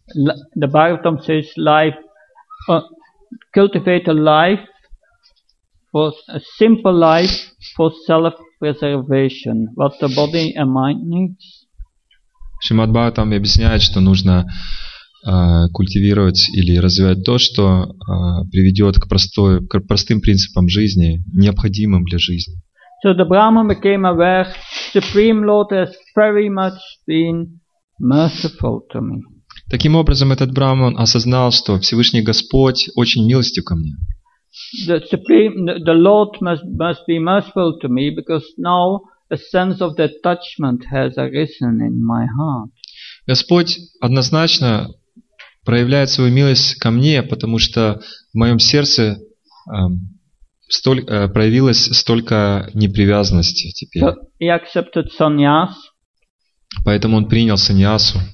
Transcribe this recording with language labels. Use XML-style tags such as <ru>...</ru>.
<en>The Bhagavatam says life, cultivate a life for a simple life for self-preservation. What the body and mind needs.</en> <ru>Шримад Бхагаватам объясняет, что нужно культивировать или развивать то, что приведет к простым принципам жизни, необходимым для жизни.</ru> <en>So the Brahman became aware, Supreme Lord has very much been merciful to me.</en> <ru>Таким образом, этот Брахман осознал, что Всевышний Господь очень милостив ко мне.</ru> <en>The Supreme, the Lord must be merciful to me, because now a sense of the attachment has arisen in my heart.</en> <ru>Господь однозначно проявляет свою милость ко мне, потому что в моем сердце проявилось столько непривязанности теперь.</ru> <en>So he accepted sannyas.</en> <ru>Поэтому он принял саньясу.</ru>